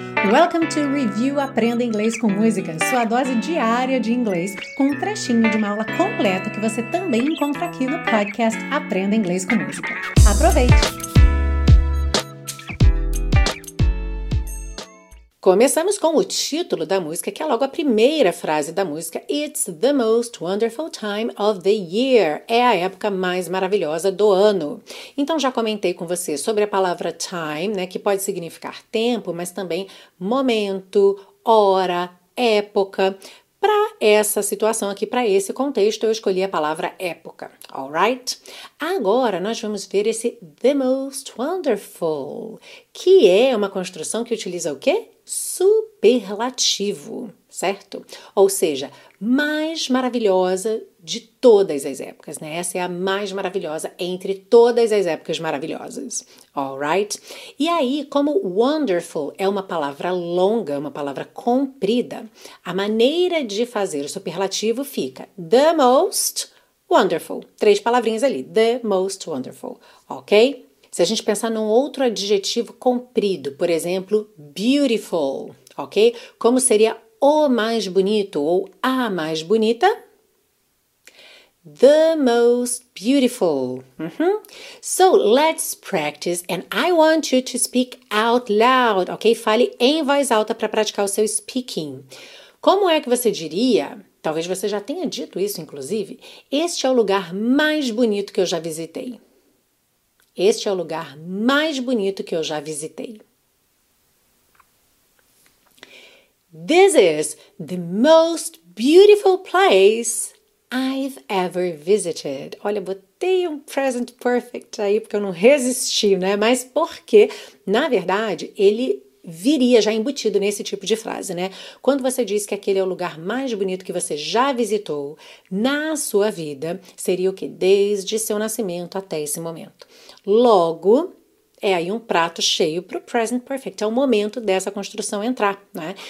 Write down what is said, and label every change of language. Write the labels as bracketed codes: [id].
[en] Welcome to [pt] Review Aprenda Inglês com Música, sua dose diária de inglês, com um trechinho de uma aula completa que você também encontra aqui no podcast Aprenda Inglês com Música. Aproveite! Começamos com o título da música, que é logo a primeira frase da música. [en] It's the most wonderful time of the year. [pt] É a época mais maravilhosa do ano. Então, já comentei com você sobre a palavra time, né, que pode significar tempo, mas também momento, hora, época. Para essa situação aqui, para esse contexto, eu escolhi a palavra época, alright? Agora, nós vamos ver esse the most wonderful, que é uma construção que utiliza o quê? Superlativo, certo? Ou seja, mais maravilhosa de todas as épocas, né? Essa é a mais maravilhosa entre todas as épocas maravilhosas, alright? E aí, como wonderful é uma palavra longa, uma palavra comprida, a maneira de fazer o superlativo fica the most wonderful. Três palavrinhas ali, the most wonderful, ok? Se a gente pensar num outro adjetivo comprido, por exemplo, beautiful, ok? Como seria o mais bonito ou a mais bonita? [en] The most beautiful. Uhum. So, let's practice and I want you to speak out loud, ok? [pt] Fale em voz alta para praticar o seu speaking. Como é que você diria, talvez você já tenha dito isso, inclusive, este é o lugar mais bonito que eu já visitei. Este é o lugar mais bonito que eu já visitei. [en] This is the most beautiful place I've ever visited. [pt] Olha, botei um present perfect aí porque eu não resisti, né? Mas porque, na verdade, ele viria já embutido nesse tipo de frase, né? Quando você diz que aquele é o lugar mais bonito que você já visitou na sua vida, seria o quê? Desde seu nascimento até esse momento. Logo, é aí um prato cheio para o present perfect. É o momento dessa construção entrar, né?